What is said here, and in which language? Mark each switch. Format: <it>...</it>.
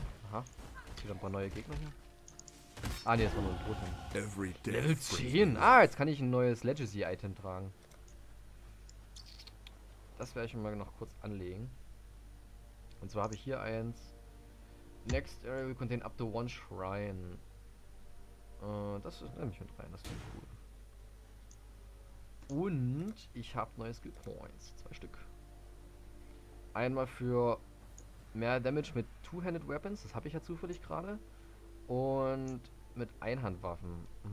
<de>Aha, wieder ein paar neue Gegner hier. Ah ne, das war nur ein Toten. Level 10. Ah, jetzt kann ich ein neues Legacy Item tragen. Das werde ich mir mal noch kurz anlegen. Und zwar habe ich hier eins.</de> <en>Next area will contain up to one shrine.</en> <de>Das ist nämlich mit rein, das finde ich cool. Und ich habe neue Skill Points. 2 Stück. Einmal für mehr Damage mit Two-Handed Weapons, das habe ich ja zufällig gerade. Und mit Einhandwaffen.</de>